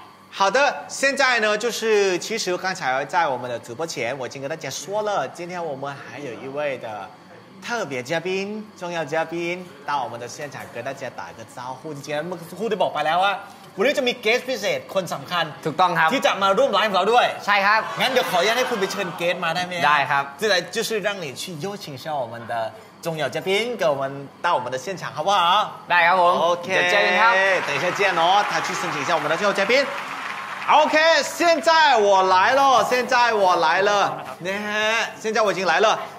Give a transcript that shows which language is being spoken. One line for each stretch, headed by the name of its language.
Chinese: 好的现在呢就是其实刚才在我们的直播前我已经跟大家说了今天我们还有一位的特别嘉宾重要嘉宾到我们的现场跟大家打个招呼今天我们就说了啊我们就没 guest 必须
Thai: คนสำคัญ ถูกต้องครับ ที่จะมาร่วมไลฟ์ของเราด้วย ใช่ครับ งั้นเดี๋ยวขออนุญาตให้คุณไปเชิญ guest มาได้มั้ยได้ครับ จะได้
Chinese: 就是让你去邀请一下我们的重要嘉宾给我们到我们的现场好不好
Thai: ได้ครับผม OK เดี๋ยวเจอกันครับ
Chinese: 等一下见哦他去申请一下我们的重要嘉宾OK， 现在我来了，现在我来了，现在我已经来了。